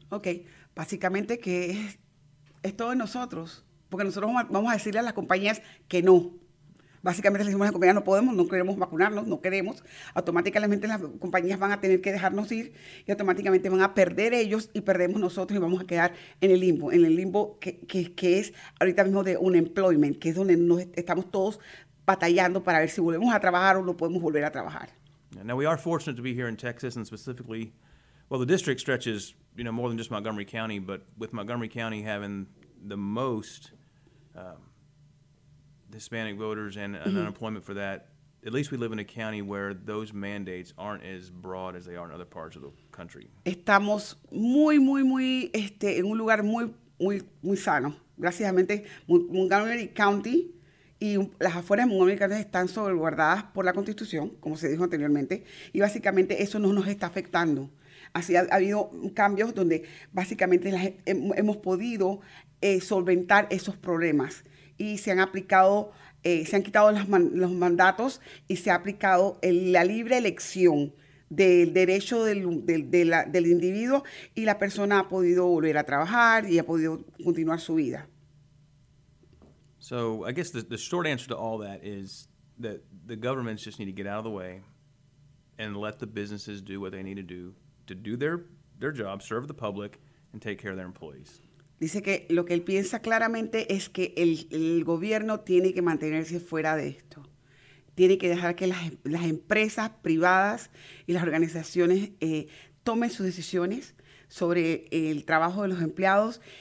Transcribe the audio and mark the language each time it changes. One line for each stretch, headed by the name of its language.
Spanish: Okay, básicamente que es todo en nosotros, porque nosotros vamos a decirle a las compañías que no. Básicamente le decimos a las compañías no queremos vacunarnos, no queremos. Automáticamente las compañías van a tener que dejarnos ir y automáticamente van a perder ellos y perdemos nosotros y vamos a quedar en el limbo que es ahorita mismo de unemployment, que es donde nos estamos todos batallando para ver si volvemos a trabajar o no podemos volver a trabajar.
English: Now we are fortunate to be here in Texas and specifically, well, the district stretches, you know, more than just Montgomery County, but with Montgomery County having the most Hispanic voters and mm-hmm. unemployment for that, at least we live in a county where those mandates aren't as broad as they are in other parts of the country.
Spanish: Estamos muy, muy, muy, en un lugar muy, muy, muy sano. Gracias a mente, Montgomery County y las afueras de Montgomery County están salvaguardadas por la Constitución, como se dijo anteriormente, y básicamente eso no nos está afectando. Así ha habido cambios donde básicamente hemos podido solventar esos problemas y se han aplicado, se han quitado los mandatos y se ha aplicado la libre elección del derecho del individuo y la persona ha podido volver a trabajar y ha podido continuar su vida.
English: So I guess the short answer to all that is that the governments just need to get out of the way and let the businesses do what they need to do. To do their job, serve the public, and take care of their employees.
Spanish: Dice que lo que él piensa claramente es que el gobierno tiene que mantenerse fuera de esto. Tiene que dejar que las empresas privadas y las organizaciones tomen sus decisiones sobre el trabajo de los empleados.